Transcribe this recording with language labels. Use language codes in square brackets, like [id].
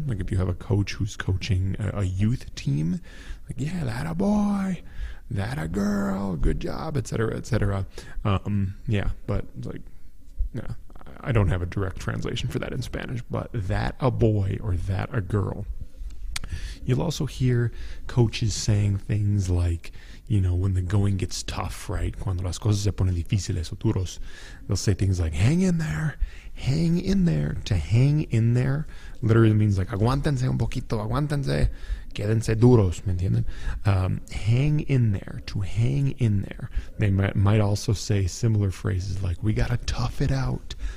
[en] Like if you have a coach who's coaching a youth team, like yeah, that a boy, that a girl, good job, et cetera, et cetera. Yeah, but like, yeah, I don't have a direct translation for that in Spanish, but that a boy or that a girl. You'll also hear coaches saying things like, you know, when the going gets tough, right? [es] Cuando las cosas se ponen difíciles o duros. [en] They'll say things like, hang in there, hang in there. To hang in there literally means like, [es] aguántense un poquito, aguántense, quédense duros, ¿me entienden? [en] Hang in there, to hang in there. They might also say similar phrases like, we gotta tough it out.